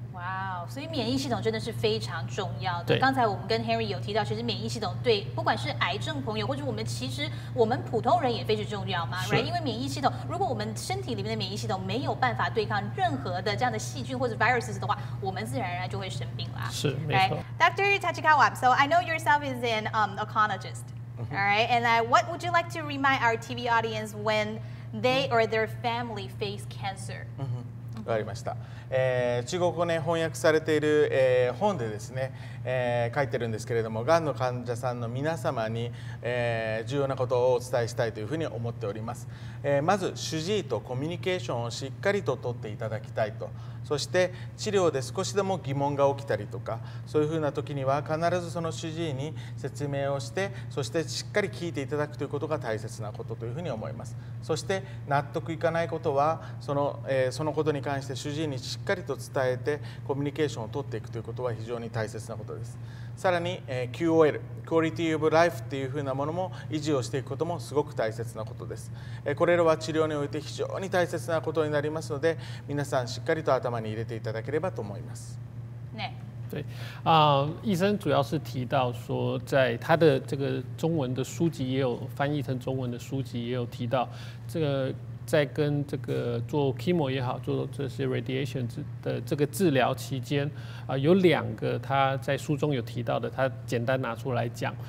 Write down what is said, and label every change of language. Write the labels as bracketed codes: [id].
[zh] 哇、wow, 所以免疫系统真的是非常重要的。对，刚才我们跟 Henry 有提到，其实免疫系统对不管是癌症朋友或者我们普通人也非常重要嘛。是，因为免疫系统，如果我们身体里面的免疫系统没有办法对抗任何的这样的细菌或者 viruses 的话，我们自然而然就会生病啦。是，没错。 [en] Dr. Tachikawa, so I know yourself is an oncologist. All right, and what would you like to remind our TV audience when they or their family face cancer? [ja] わかりました。中国語に翻訳されている、本でですね、書いてるんですけれども、がんの患者さんの皆様に、重要なことをお伝えしたいというふうに思っております。まず主治医とコミュニケーションをしっかりと取っていただきたいと。そして治療で少しでも疑問が起きたりとか、そういうふうな時には必ずその主治医に説明をして、そしてしっかり聞いていただくということが大切なことというふうに思います。そして納得いかないことはそのことに関して主治医にしっかりと伝えてコミュニケーションを取っていくということは非常に大切なことです。さらに QOL、Quality of Life っていうふうなものも維持をしていくこともすごく大切なことです。これらは治療において非常に大切なことになりますので、皆さんしっかりと頭頭に入れていただければと思います。ね。 [zh] 对，医生主要是提到说，在他的这个中文的书籍也有翻译成中文的书籍也有提到，这个在跟这个做 chemo 也好，做这些 radiation 的这个治疗期间，有两个他在书中有提到的，他简单拿出来讲。